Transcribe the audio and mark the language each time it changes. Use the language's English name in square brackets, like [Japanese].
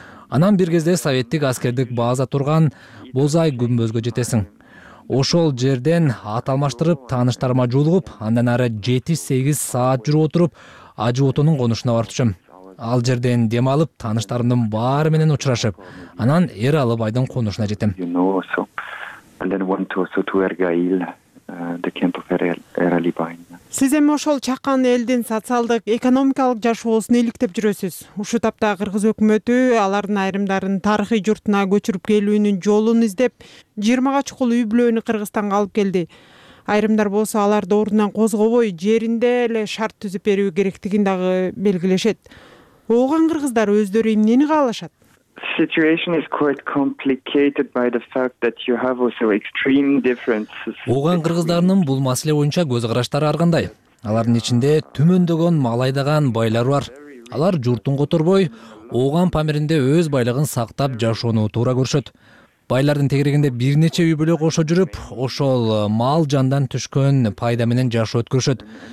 [Kyrgyz] Анан бир кезде советтик аскердик база турган Бозай күмбөзгө жетесиң. Ошол жерден ат алмаштырып, тааныштарыма жолугуп, андан ары 7-8 саат жүрүп отуруп, Ажы отонун конушуна барчум. Ал жерден дем алып, тааныштарымдын баары менен учурашып, анан Эр Алып айдын конушуна жетем. [English] And then went to Ergail, the camp of Eralibayn. [Kyrgyz] Сиз эми ошол чакан элдин социалдык, экономикалык жашоосун иликтеп жүрөсүз. Ушу тапта кыргыз өкмөтү алардын айрымдарын тарыхый журтуна көчүрүп келүүнүн жолун издеп, 20га чукул үй бүлөнү Кыргызстанга алып келди. Айрымдар болсо аларды ордунан козгобой, жеринде эле шарт түзүп берүү керектигин дагы белгилешет. Ооган кыргыздар өздөрү эмнени каалашат? [English] Situation is quite complicated by the fact that you have also extreme differences. [Kyrgyz] Ооган кыргыздарынын бул маселе боюнча көз караштары ар кандай. Алардын ичинде түмөндөгөн, малайдаган байлар бар. Алар журтун которбой, ооган памиринде өз байлыгын сактап жашоону туура көрүшөт. Байлардын тегерегинде бир нече үй бүлө кошо жүрүп, ошол мал жандан түшкөн пайда менен жашоо өткөрүшөт.